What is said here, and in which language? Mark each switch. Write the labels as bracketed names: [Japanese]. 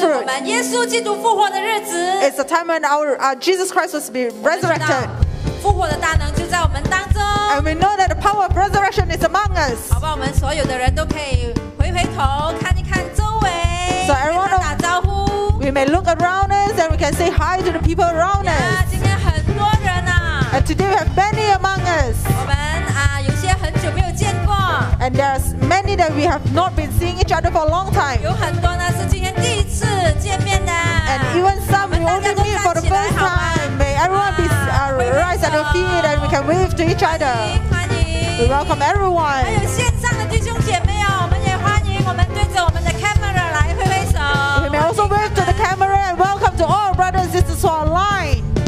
[Chinese] 就是我们耶稣基督复活的日子 [English] It's the time when our Jesus Christ was resurrected [Chinese] 复活的大能就在我们当中 [English] And we know that the power of resurrection is among us. [Chinese] 好吧，我们所有的人都可以回回头看一看周围。 [English] So everyone, [Chinese] 打招呼。 [English] We may look around us and we can say hi to the people around us. [Chinese] 今天很多人啊。 [English] And today we have many among us. [Chinese] 我们啊，有些很久没有见过。 [English] And there's many that we have not been seeing each other for a long time. [Chinese] 有很多呢是今天第一次见面的。 [English] And even some we only meet for the first time. May everyone be. Rise at your feet and we can wave to each other. We welcome everyone. [Chinese] 还有线上的弟兄姐妹哦，我们也欢迎。我们对着我们的 camera 来挥挥手。 [English] We may also wave to the camera and welcome to all brothers and sisters online.